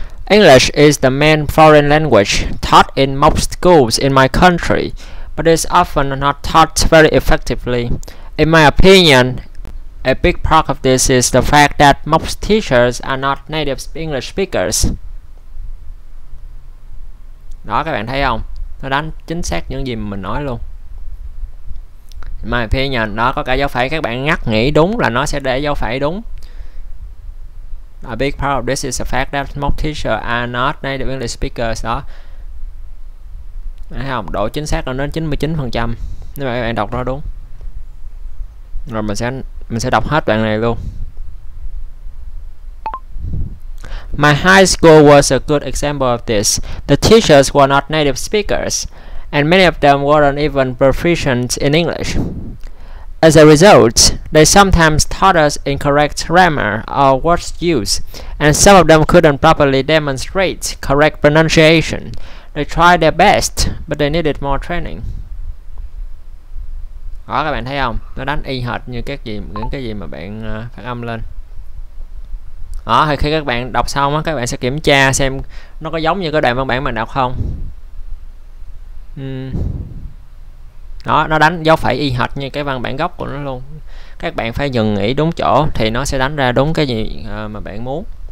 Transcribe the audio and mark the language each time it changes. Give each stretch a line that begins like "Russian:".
English: English is the main foreign language taught in most schools in my country, but it's often not taught very effectively. In my opinion, a big part of this is the fact that most teachers are not native English speakers.
Vietnamese: Đó, các bạn thấy không? Nó đánh chính xác những gì mình nói luôn.
English: In my opinion,
Vietnamese: đó, có cả dấu phẩy, các bạn ngắt nghỉ đúng là nó sẽ để dấu phẩy đúng.
English: A big part of this is the fact that most teachers are not native English speakers.
Vietnamese: Đó, thấy không? Độ chính xác là đến 99%. Nếu mà các bạn đọc nó đúng. Rồi mình sẽ đọc hết đoạn này luôn.
English: My high school was a good example of this. The teachers were not native speakers, and many of them weren't even proficient in English. As a result, they sometimes taught us incorrect grammar or words use, and some of them couldn't properly demonstrate correct pronunciation. They tried their best, but they needed more training.
Vietnamese: Đó, các bạn thấy không? Nó đánh y hệt như các gì, những cái gì mà bạn phát âm lên. Đó, thì khi các bạn đọc xong á, các bạn sẽ kiểm tra xem nó có giống như cái đoạn văn bản mình đọc không. Đó, nó đánh dấu phẩy y hệt như cái văn bản gốc của nó luôn. Các bạn phải dừng nghỉ đúng chỗ thì nó sẽ đánh ra đúng cái gì mà bạn muốn.